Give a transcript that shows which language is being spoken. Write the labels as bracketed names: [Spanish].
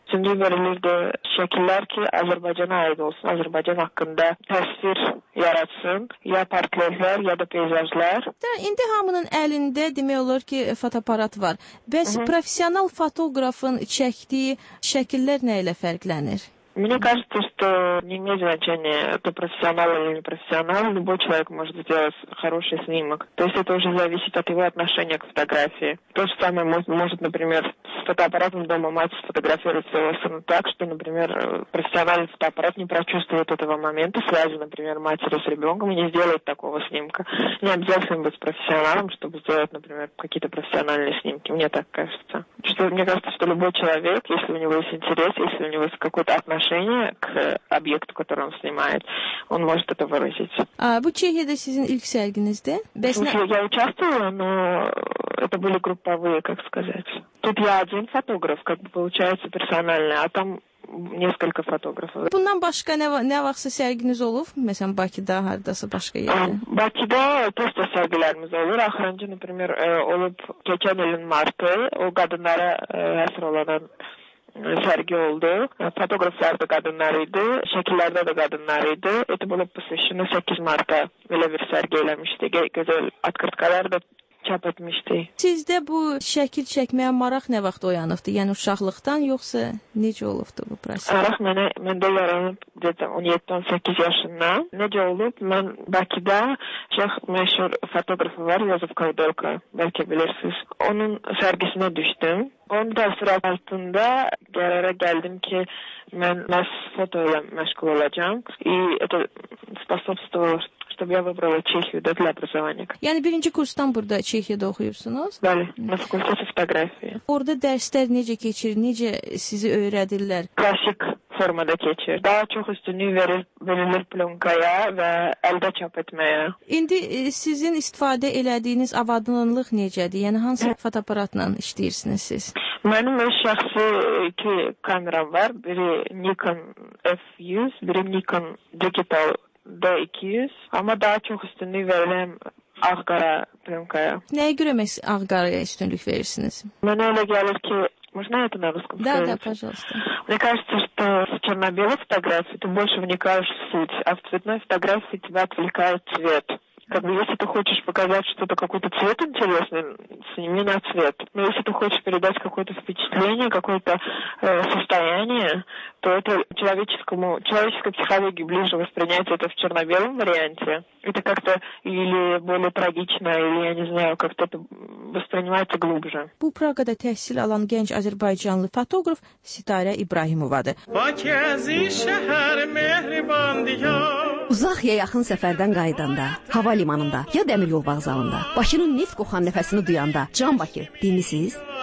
[Azerbaijani] Üçüncü verilirdi şəkillər ki, Azərbaycana aid olsun, Azərbaycan haqqında təsvir yaratsın, ya portretlər, ya da peyzajlar. İndi hamının əlində demək olar ki, fotoaparat var. Bəs professional fotoqrafın çəkdiyi şəkillər nə ilə fərqlənir? [Russian] Мне кажется, что не имеет значения, это профессионал или не профессионал, любой человек может сделать хороший снимок. То есть это уже зависит от его отношения к фотографии. То же самое может, например, с фотоаппаратом дома мать сфотографировать своего сына так, что, например, профессиональный фотоаппарат не прочувствует этого момента, связи, например, матери с ребенком и не сделает такого снимка. Не обязательно быть профессионалом, чтобы сделать, например, какие-то профессиональные снимки, мне так кажется. Что, мне кажется, что любой человек, если у него есть интерес, если у него есть какой-то отношение к объекту, который он снимает, он может это выразить. А вы Чехия сезон ilk sergginizde? Я участвовала, но это были групповые, как сказать. Тут я один фотограф, как бы получается персональный, а там несколько фотографов. [Azerbaijani] Bundan başqa nə vaxtsa sərginiz olub? Məsələn, Bakıda, hardasa başqa yerdə? Bakıda posta sərgilərimiz olur. Axırıncı, например, olub keçən ilin martı, o qadınlara həsr olan sərgi oldu. Fotoqraflar da qadınlar idi, şəkillərdə də qadınlar idi. [Russian] Это было посвящено 8 марта. [Azerbaijani] Belə bir sərgi eləmişdi. Gözəl atkırtkalar da çap etmişdi. Sizdə bu şəkil çəkməyə maraq nə vaxt oyanıbdı? Yəni uşaqlıqdan yoxsa necə olubdu bu proses? Maraq məndə yaranıb 17-18 yaşından. Necə olub? Mən Bakıda çox məşhur fotoqrafı var, Yozef Kaldolka, bəlkə bilirsiniz. Onun sərgisinə düşdüm. Onun təsiri altında qərara gəldim ki, mən məhz foto ilə məşğul olacağım. [Russian] Это способствовало, чтобы я выбрала Чехию да, для образования. [Azerbaijani] Yəni, birinci kursdan burada Çexiyada oxuyursunuz? [Russian] Bəli, на факультете фотографии. [Azerbaijani] Orada dərslər necə keçir, necə sizi öyrədirlər? Klasik formada keçir. Daha çox üstünlük verilir plonkaya və əldə çap etməyə. İndi sizin istifadə elədiyiniz avadınlıq necədir? Yəni, hansı fotoaparatla işləyirsiniz siz? Mənim öz şəxsi iki kameram var. Biri Nikon F100, biri Nikon Digital D200. Amma daha çox üstünlük verirəm ağ-qara plonkaya. Nəyə görə məhz ağ-qaraya üstünlük verirsiniz? Mənə elə gəlir ki, [Russian] Можно это на русском да, сказать? Да, пожалуйста. Мне кажется, что в черно-белой фотографии ты больше вникаешь в суть, а в цветной фотографии тебя отвлекает цвет. Как бы, если ты хочешь показать что-то, какой-то цвет интересный, сними на цвет. Но если ты хочешь передать какое-то впечатление, какое-то состояние, то это человеческой психологии ближе воспринять это в черно-белом варианте. Это как-то или более трагично, или, я не знаю, как-то это воспринимается глубже. [Azerbaijani] Bu Praqada təhsil alan gənc azərbaycanlı fotoqraf Sitarə İbrahimovadır. Bakı əziz şəhər mehriban diyar. Uzaq ya yaxın səfərdən qayıdanda, hava limanında ya dəmir yol vağzalında, Bakının neft qoxan nəfəsini duyanda, Can Bakı, deyirsiniz?